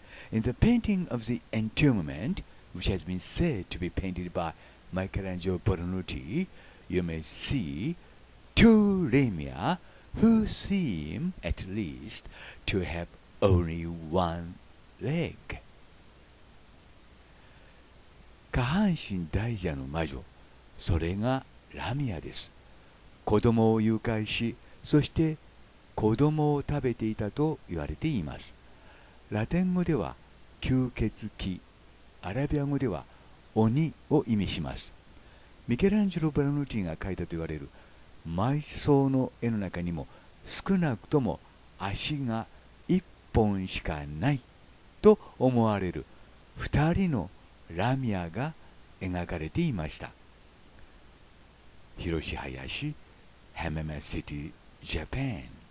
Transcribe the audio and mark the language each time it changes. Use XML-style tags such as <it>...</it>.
<en>In the painting of the Entombment, which has been said to be painted by Michelangelo Buonarroti, you may see two Lamia who seem, at least, to have only one leg.</en> <ja>下半身大蛇の魔女、それがラミアです。子供を誘拐し、そして子供を食べていたと言われています。ラテン語では吸血鬼、アラビア語では鬼を意味します。ミケランジェロ・ブラノッティが描いたと言われる埋葬の絵の中にも少なくとも足が一本しかないと思われる二人のラミアが描かれていました。</ja> <en>広志林、Hamema City, Japan.</en>